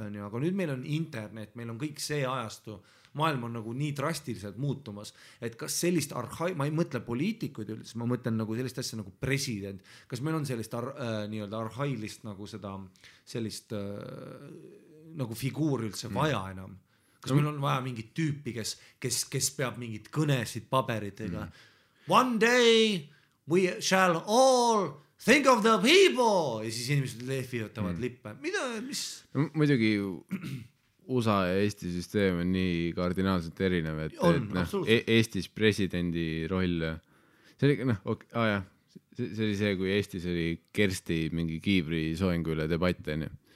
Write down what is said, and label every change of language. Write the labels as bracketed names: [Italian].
[Estonian] Aga nüüd meil on internet, meil on kõik see ajastu. Maailm on nagu nii drastiliselt muutumas, et kas sellist ma ei mõtle poliitikud üldse, ma mõtlen nagu sellist asja nagu president. Kas meil on sellist nii-öelda arhailist nagu seda sellist nagu figuur üldse vaja enam? Kas meil on vaja mingit tüüpi, kes peab mingit kõnesid paberitega? Mm. [English] One day we shall all think of the people! [Estonian] Ja siis inimesed lehvivatavad lippe. Mida, mis? No, muidugi USA ja Eesti süsteem on nii kardinaalselt erinev, et, on, et Eestis presidendi roll. See oli, noh, okay, jah. See oli see, kui Eestis oli Kersti mingi kiivri soenguile debatte, nii.